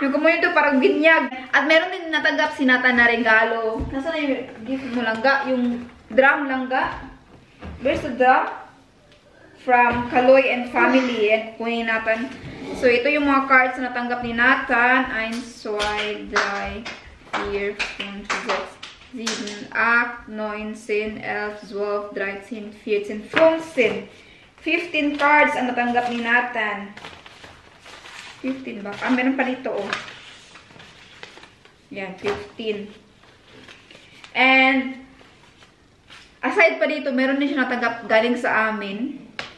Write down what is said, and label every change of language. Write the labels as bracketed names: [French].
[Filipino] Yung kumuha yun to, parang binyag. At meron din natanggap si Nata na regalo. Nasaan na yung gift mo lang ga? Yung drum lang ga? [English] Where's the drum? From Caloi and family. And [Filipino] kunin natin. So, ito yung mga cards na natanggap ni Nathan. [German] Ein, zwei, drei, vier, fünf, sechs, sieben, acht, neunzehn, elf, zwölf, dreizehn, vierzehn, fünfzehn. [Filipino] 15 cards ang natanggap ni Nathan. 15 ba? Ah, meron pa dito, oh. Yan, 15. And, aside pa dito, meron din siya natanggap galing sa amin.